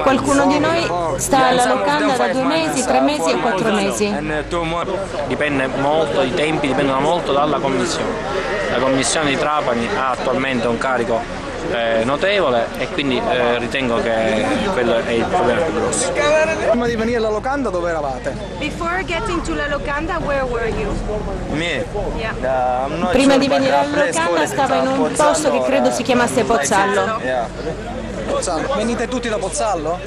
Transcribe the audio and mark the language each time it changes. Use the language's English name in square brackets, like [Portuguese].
[Italian] Qualcuno di noi sta alla locanda da 2 mesi, 3 mesi e 4 mesi. Dipende molto, i tempi dipendono molto dalla commissione. La commissione di Trapani ha attualmente un carico notevole e quindi ritengo che quello è il problema più grosso. Prima di venire alla locanda dove eravate? [English] Before getting to la locanda, where were you? Me? Yeah. [Italian] Prima di venire alla locanda stavo in un posto che credo si chiamasse Pozzallo. Venite tutti da Pozzallo?